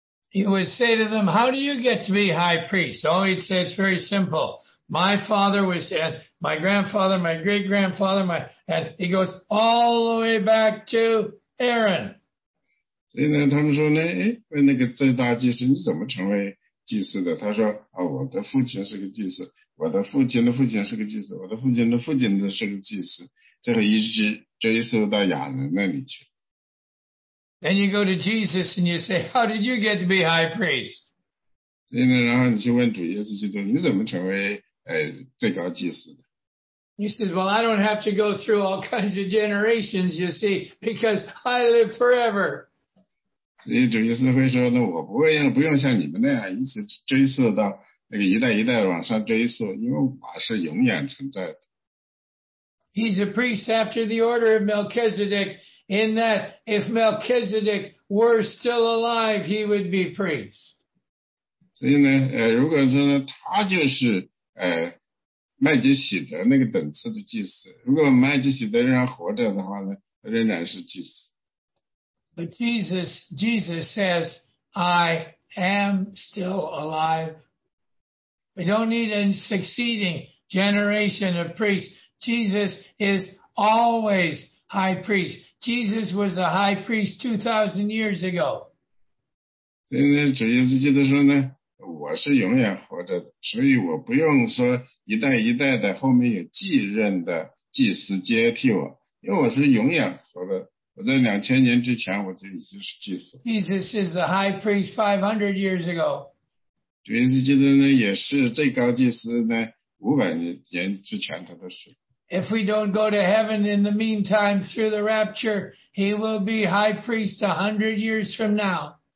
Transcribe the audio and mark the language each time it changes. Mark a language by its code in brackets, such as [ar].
[en] He would say to them, how do you get to be high priest? Oh, he'd say, it's very simple. My father was, and my grandfather, my great-grandfather, and he goes all the way back to Aaron. [zh] 所以呢，他们说呢，问那个最大祭司，你怎么成为祭司的？他说，我的父亲是个祭司，我的父亲的父亲是个祭司，我的父亲的父亲的是个祭司，最后一直追溯到亚伦那里去。 [en] Then you go to Jesus and you say, how did you get to be high priest? [zh] 所以呢，然后你去问主耶稣基督，你怎么成为最高祭司的？ [en] He says, well, I don't have to go through all kinds of generations, you see, because I live forever. [zh] 所以主耶稣会说呢，我不用像你们那样一直追溯到那个一代一代往上追溯，因为我是永远存在的。 [en] He's a priest after the order of Melchizedek, in that if Melchizedek were still alive, he would be priest. [zh] 所以呢，如果说呢，他就是麦基洗德那个等次的祭司。如果麦基洗德仍然活着的话呢，仍然是祭司。 [en] But Jesus says, I am still alive. We don't need a succeeding generation of priests. Jesus is always high priest. Jesus was a high priest 2,000 years ago. [zh] 所以呢，主耶稣基督说呢，我是永远活着，所以我不用说一代一代的后面有继任的祭司接替我，因为我是永远活的。我在2000年之前我就已经是祭司。 [en] Jesus is the high priest 500 years ago. [zh] 主耶稣基督呢，也是最高祭司呢，500年之前他都是。 [en] If we don't go to heaven in the meantime through the rapture, he will be high priest 100 years from now.